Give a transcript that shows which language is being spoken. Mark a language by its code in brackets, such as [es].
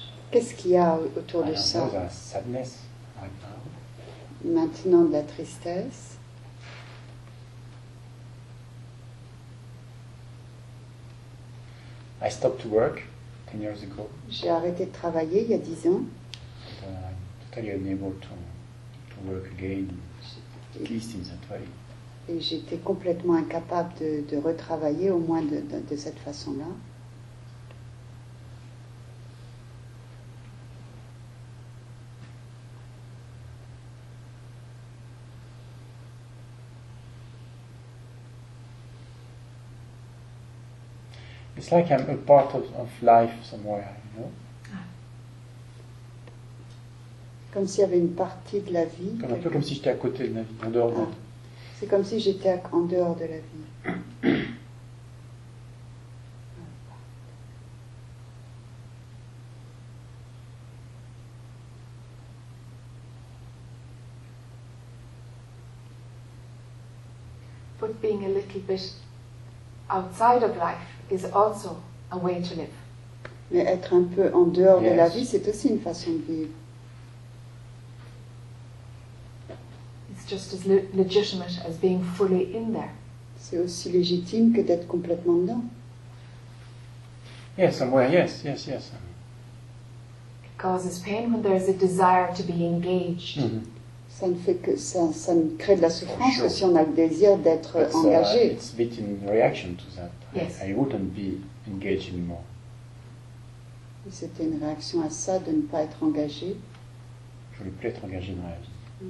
[fr] Qu'est-ce qu'il y a autour de ça? [en] Sadness right now. [fr] Maintenant de la tristesse. [en] I stopped to work 10 years ago. [fr] J'ai arrêté de travailler il y a 10 ans. [en] But, I'm totally unable to work again, at least in that way. [fr] Et j'étais complètement incapable de retravailler au moins de cette façon-là. [en] It's like I'm a part of life somewhere, you know. [fr] Comme s'il y avait une partie de la vie. Comme un peu comme si j'étais à côté de la vie, en dehors de la vie. C'est comme si j'étais en dehors de la vie. [en] but being a little bit outside of life is also a way to live. [fr] Mais être un peu en dehors de la vie, c'est aussi une façon de vivre. [en] It's just as legitimate as being fully in there. [fr] C'est aussi légitime que d'être complètement dedans. [en] Yes, somewhere, yes. It causes pain when there is a desire to be engaged. Mm-hmm. [fr] Ça ne fait que ça, ça ne crée de la souffrance que si on a le désir d'être engagé. [en] It's a bit in reaction to that. Yes. I wouldn't be engaged anymore. [fr] Et c'était une réaction à ça de ne pas être engagé. Je ne veux plus être engagé dans la vie.